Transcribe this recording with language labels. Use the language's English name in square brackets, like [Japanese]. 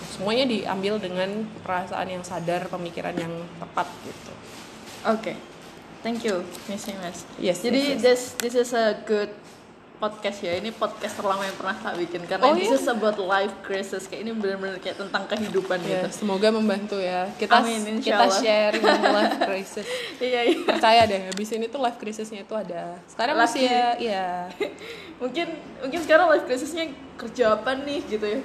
[Indonesian] Semuanya diambil dengan perasaan yang sadar, pemikiran yang tepat gitu. [English] Okay. Thank you, Miss Imas. Yes. [Indonesian] Jadi [English] yes. This is a good podcast ya. [Indonesian] Ini podcast terlama yang pernah saya bikin karena [English] this is about life crisis. [Indonesian] Kayak ini benar-benar kayak tentang kehidupan gitu. Semoga membantu ya. Kita share life crisis. Iya. Percaya deh, habis ini tuh life crisisnya itu ada. Sekarang masih ya. mungkin sekarang life crisisnya kerja apa nih gitu ya.